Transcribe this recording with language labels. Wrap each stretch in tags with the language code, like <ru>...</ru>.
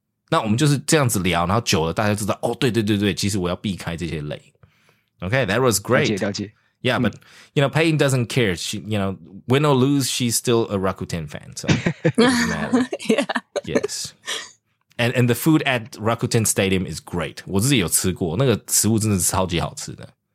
<zh>那我们就是这样子聊，然后久了大家知道，哦，对对对对，其实我要避开这些雷。</zh> <en>Okay, that was great.</en> <zh>了解，了解。</zh> <en>Yeah, but, you know, Payne doesn't care. She, you know, win or lose, she's still a Rakuten fan. So, yeah. Yes. And the food at Rakuten Stadium is great.</en> <zh>我自己有吃过，那个食物真的是超级好吃的。</zh>